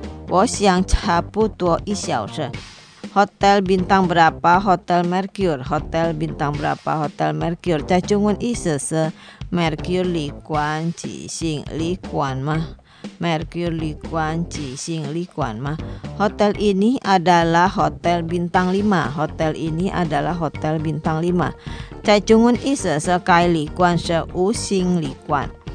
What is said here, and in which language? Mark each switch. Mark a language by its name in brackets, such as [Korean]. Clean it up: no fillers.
[Chinese] 我想差不多一小时。 [Indonesian] Hotel bintang berapa? Hotel Mercure. Hotel bintang berapa? Hotel Mercure. [Chinese] 在中文意思是 Mercure 旅馆几星旅馆吗？ Mercure 旅馆几星旅馆吗？ [Indonesian] Hotel ini adalah hotel bintang 5. Hotel ini adalah hotel bintang 5. [Chinese] 在中文意思是该旅馆是五星旅馆。